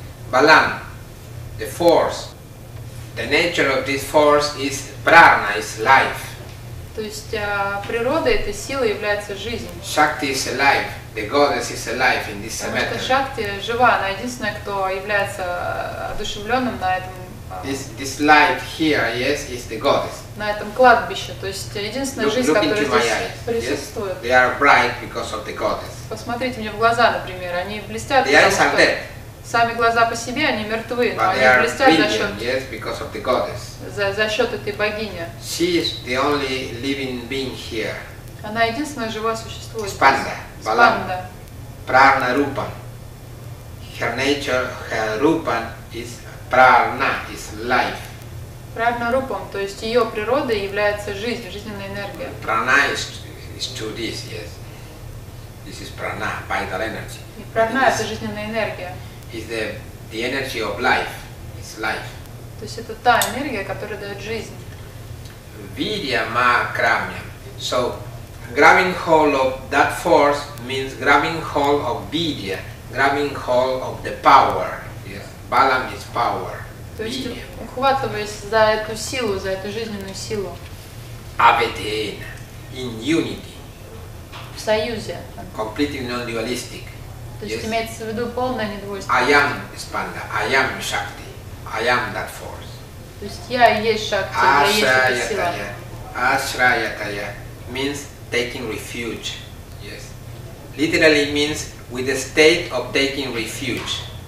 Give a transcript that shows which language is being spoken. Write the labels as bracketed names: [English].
[English] Balam, the force, the nature of this force is prana, is life. [Russian] То есть природа этой силы является жизнь. [English] Shakti is alive, the goddess is alive in this metaphor. [Russian] Потому что Шакти жива, она единственная, кто является одушевленным на этом. [English] This life here, yes, is the goddess. [Russian] На этом кладбище, то есть единственная [English] look, [Russian] жизнь, [English] look [Russian] которая здесь [English] eyes, [Russian] присутствует. [English] Yes? They are bright because of the goddess. [Russian] Посмотрите мне в глаза, например, они блестят. [English] The eyes are dead. [Russian] Сами глаза по себе, они мертвы, [English] but [Russian] но они блестят за счет, [English] yes, because of the goddess. [Russian] За счет этой богини. [English] She is the only living being here. [Russian] Она единственное живое существо. Спанда. Спанда. [Sanskrit] Прарна рупан. [English] Her nature, her rupan is prarna, is life. [Russian] Прарна рупан, то есть ее природа является жизнь, жизненная энергия. [English] Прана is to this, yes. This is prana, vital energy. [Russian] И прана это жизненная энергия. [English] Is the energy of life. It's life. [Russian] То есть это та энергия, которая дает жизнь. [Sanskrit] Virya ma kramya. [English] So grabbing hold of that force means grabbing hold of virya, grabbing hold of the power. Yes. Balam is power. [Russian] То есть ухватываясь за эту силу, за эту жизненную силу. [English] Abhedena. In unity. [Russian] В союзе. [English] Completely non-dualistic. [Russian] То есть имеется в виду полное недвойство. [English] I am Spanda, I am Shakti, I am that force. [Russian] То есть я и есть Шакти, я и есть эта сила. [English] Ashrayataya means taking refuge. Yes. Literally means with the state of taking refuge.